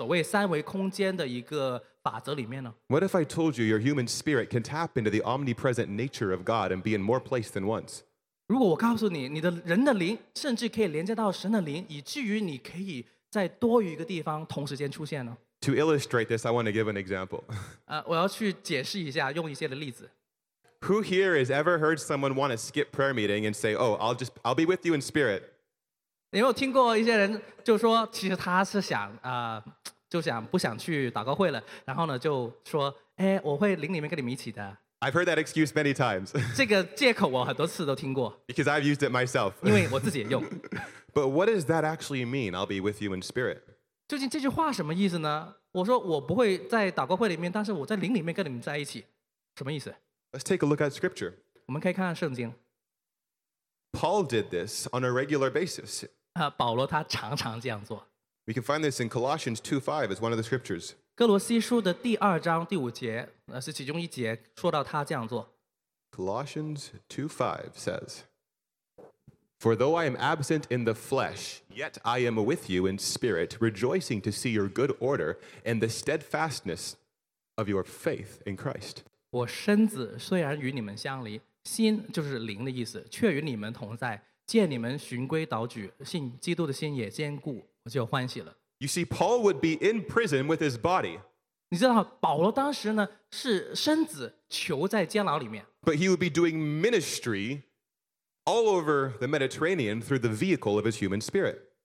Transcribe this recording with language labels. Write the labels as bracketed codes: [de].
[zh] 如果我告诉你，你人的灵其实并不局限于一个所谓三维空间的一个法则里面呢？ [en] What if I told you your human spirit can tap into the omnipresent nature of God and be in more place than once? [zh] 如果我告诉你，你的人的灵甚至可以连接到神的灵，以至于你可以在多余一个地方同时间出现呢？ [en] To illustrate this, I want to give an example. [zh] 我要去解释一下，用一些的例子。 [en] Who here has ever heard someone want to skip prayer meeting and say, oh, I'll be with you in spirit? [zh] 有没有听过一些人就说其实他是想不想去祷告会了然后呢就说我会领你们跟你们一起的 [en] I've heard that excuse many times. [zh] 这个借口我很多次都听过 [en] Because I've used it myself. [zh] 因为我自己也用 [en] But what does that actually mean, I'll be with you in spirit? [zh] 究竟这句话什么意思呢?我说我不会在祷告会里面但是我在灵里面跟你们在一起 什么意思? [en] Let's take a look at scripture. [zh] 我们可以看看圣经 [en] Paul did this on a regular basis. [zh] 保罗他常常这样做 [en] We can find this in Colossians 2:5 as one of the scriptures. [zh] 哥罗西书的第二章第五节 是其中一节说到他这样做 [en] Colossians 2:5 says For though I am absent in the flesh, yet I am with you in spirit, rejoicing to see your good order and the steadfastness of your faith in Christ. [zh] 我身子虽然与你们相离,心就是灵的意思,却与你们同在,见你们循规蹈矩,信基督的心也坚固,我就欢喜了。 [en] You see, Paul would be in prison with his body. [zh] 你知道保罗当时呢,是身子囚在监牢里面。 [en] But he would be doing ministry all over the Mediterranean through the vehicle of his human spirit.